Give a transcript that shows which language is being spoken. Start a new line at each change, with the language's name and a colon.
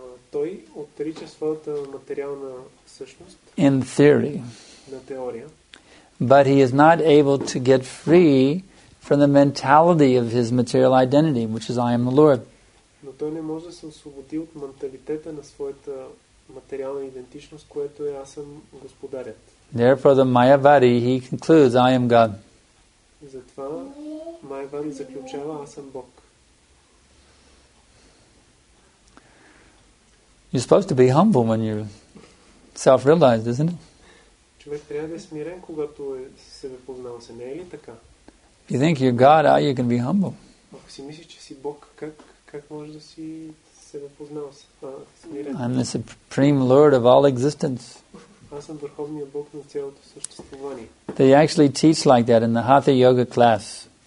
Bulgarian: Той отрича своята материална същност.
English: In theory.
Bulgarian: На теория.
English: But he is not able to get free from the mentality of his material identity, which is I am the Lord.
Bulgarian: Но той не може да се освободи от менталитета на своята материална идентичност, което е аз съм господарят.
English: Therefore the Mayavadi, he concludes, I am God.
Bulgarian: Затова Mayavadi заключава, аз съм Бог.
English: You're supposed to be humble when you're self-realized, isn't it?
Bulgarian: Човек трябва да е смирен, когато е себе познал, се не е ли така?
English: If you think you're God, how you can be humble?
Bulgarian: Ако си мислиш, че си Бог, как можеш да си себе познал, смирен?
English: I'm the supreme Lord of all existence.
Bulgarian: Аз съм върховният Бог на цялото съществуване.
English: They actually teach like that in the Hatha Yoga class.